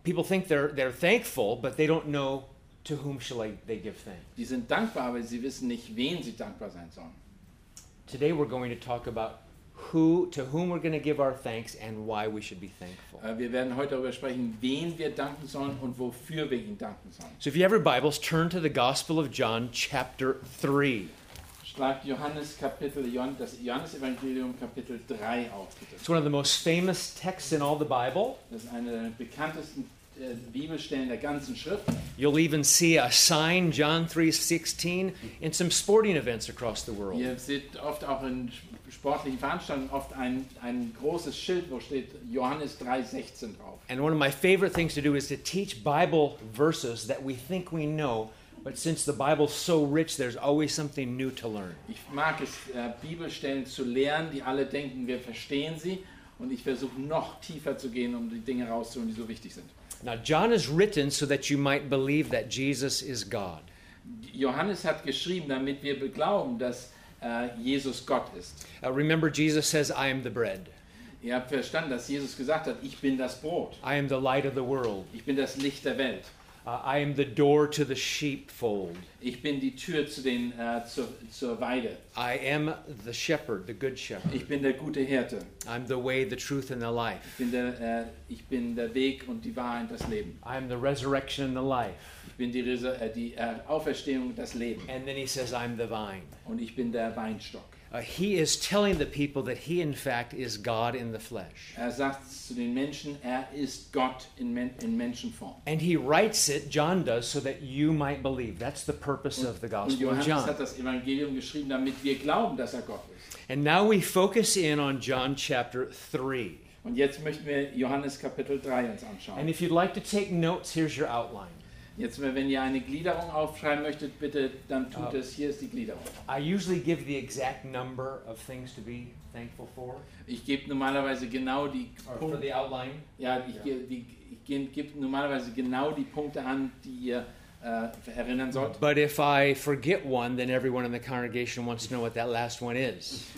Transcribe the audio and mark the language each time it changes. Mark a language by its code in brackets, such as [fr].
[en] People think they're thankful, but they don't know to whom shall they give thanks. [de] Die sind dankbar, aber sie wissen nicht, wen sie dankbar sein sollen. [en] Today we're going to talk about who to whom we're going to give our thanks and why we should be thankful. [de] Wir werden heute darüber sprechen, wen wir danken sollen und wofür wir ihn danken sollen. [en] So if you have your Bibles, turn to the Gospel of John chapter 3. [de] Schlagt Johannes Evangelium Kapitel 3 auf. [en] It's one of the most famous texts in all the Bible. [de] Das ist eine der bekanntesten Bibelstellen der ganzen Schrift. [en] You'll even see a sign, John 3:16, in some sporting events across the world. [de] Ihr seht oft auch in sportlichen Veranstaltungen oft ein großes Schild, wo steht Johannes 3:16 drauf. [en] And one of my favorite things to do is to teach Bible verses that we think we know. But since the Bible's so rich, there's always something new to learn. [de] Ich mag es, Bibelstellen zu lernen, die alle denken, wir verstehen sie. Und ich versuche noch tiefer zu gehen, um die Dinge rauszuholen, die so wichtig sind. [en] Now, John is written so that you might believe that Jesus is God. [de] Johannes hat geschrieben, damit wir beglauben, dass Jesus Gott ist. [en] Remember, Jesus says, I am the bread. [de] Ihr habt verstanden, dass Jesus gesagt hat, ich bin das Brot. [en] I am the light of the world. [de] Ich bin das Licht der Welt. [en] I am the door to the sheepfold. [de] Ich bin die Tür zu den zur Weide. [en] I am the shepherd, the good shepherd. [de] Ich bin der gute Hirte. [en] I'm the way, the truth and the life. [de] Ich bin der Weg und die Wahrheit, das Leben. [en] I am the resurrection and the life. [de] Ich bin die Auferstehung, das Leben. [en] And then he says I'm the vine. [de] Und ich bin der Weinstock. [en] He is telling the people that he in fact is God in the flesh. [de] Er sagt zu den Menschen, er ist Gott in Menschenform. [en] And he writes it, John does, so that you might believe. That's the purpose of the Gospel of John. [de] Johannes hat das Evangelium geschrieben, damit wir glauben, dass er Gott ist. [en] And now we focus in on John chapter 3. [de] Und jetzt möchten wir Johannes Kapitel 3 uns anschauen. [en] And if you'd like to take notes, here's your outline. [de] Jetzt, wenn ihr eine Gliederung aufschreiben möchtet, bitte, dann tut es. Hier ist die Gliederung. [en] I usually give the exact number of things to be thankful for. [de] Ich gebe normalerweise genau die Punkte. [en] For the outline. [de] Ja, ich gebe normalerweise genau die Punkte an, die ihr erinnern sollt. [en] But if I forget one, then everyone in the congregation wants to know what that last one is.